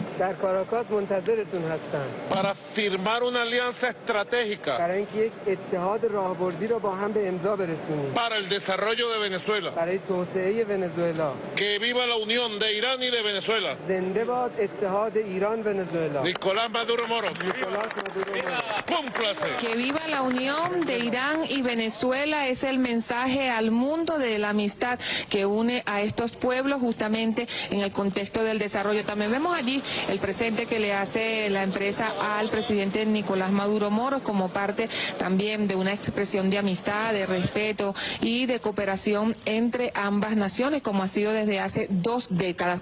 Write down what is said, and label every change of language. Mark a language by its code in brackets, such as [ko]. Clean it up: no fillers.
[fa] در کاراکاس منتظرتون هستم. [es] Para firmar una alianza estratégica. [fa] برای اینکه یک اتحاد راهبردی رو با هم به امضا برسونیم. [es] Para el desarrollo de Venezuela. [fa] برای توسعه ونزوئلا. [es] Que viva la unión de Irán y de Venezuela. [fa] زنده باد اتحاد ایران ونزوئلا. [es] Nicolás Maduro Moros. Nicolás Maduro Moros. Que viva la unión de Irán y Venezuela es el mensaje al mundo de la amistad que une a estos pueblos justamente en el contexto del desarrollo. También vemos allí el presente que le hace la empresa al presidente Nicolás Maduro Moros como parte también de una expresión de amistad, de respeto y de cooperación entre ambas naciones, como ha sido desde hace dos décadas.